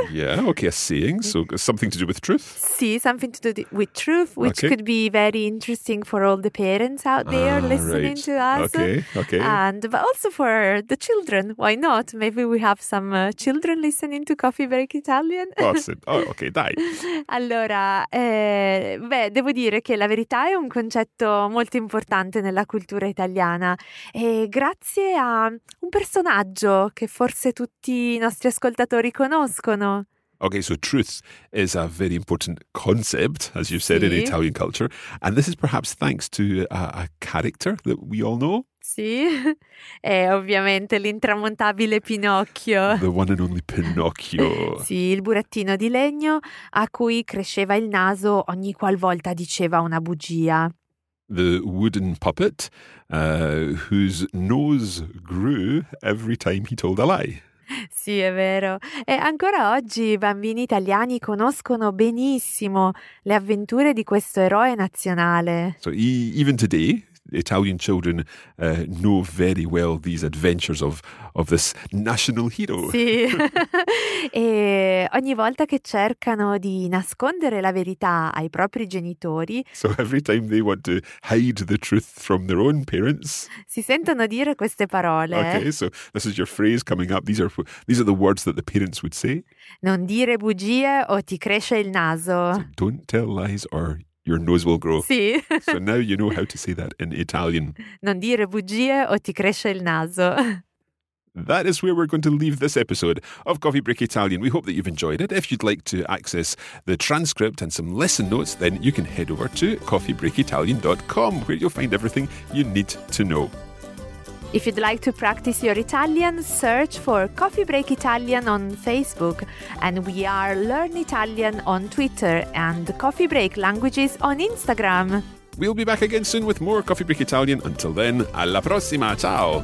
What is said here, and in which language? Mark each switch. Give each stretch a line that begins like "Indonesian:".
English: Yeah, okay, a saying, so something to do with truth. Sì, something to do with truth, which could be very interesting for all the parents out there listening to us. Okay. But also for the children, why not? Maybe we have some children listening to Coffee Break Italian. Awesome. Oh, okay, dai.
Italian: Allora, devo dire che la verità è un concetto molto importante nella cultura italiana e grazie a un personaggio che forse tutti i nostri ascoltatori conoscono.
English: Okay, so truth is a very important concept, as you said, in Italian culture. And this is perhaps thanks to a character that we all know.
Italian: Sì, è ovviamente l'intramontabile Pinocchio.
English: The one and only Pinocchio.
Italian: Sì, il burattino di legno a cui cresceva il naso ogni qualvolta diceva una bugia.
English: The wooden puppet whose nose grew every time he told a lie.
Italian: Sì, è vero. E ancora oggi i bambini italiani conoscono benissimo le avventure di questo eroe nazionale.
English: So, even today, Italian children know very well these adventures of this national hero.
Italian: Sì. E ogni volta che cercano di nascondere la verità ai propri genitori,
English: so every time they want to hide the truth from their own parents,
Italian: si sentono dire queste parole.
English: Okay, so this is your phrase coming up. These are the words that the parents would say.
Italian: Non dire bugie o ti cresce il naso.
English: So don't tell lies or your nose will grow.
Italian: Sì.
English: So now you know how to say that in Italian.
Italian: Non dire bugie o ti cresce il naso.
English: That is where we're going to leave this episode of Coffee Break Italian. We hope that you've enjoyed it. If you'd like to access the transcript and some lesson notes, then you can head over to coffeebreakitalian.com, where you'll find everything you need to know. If you'd like to practice your Italian, search for Coffee Break Italian on Facebook, and we are Learn Italian on Twitter and Coffee Break Languages on Instagram. We'll be back again soon with more Coffee Break Italian. Until then,
Italian: alla prossima, ciao!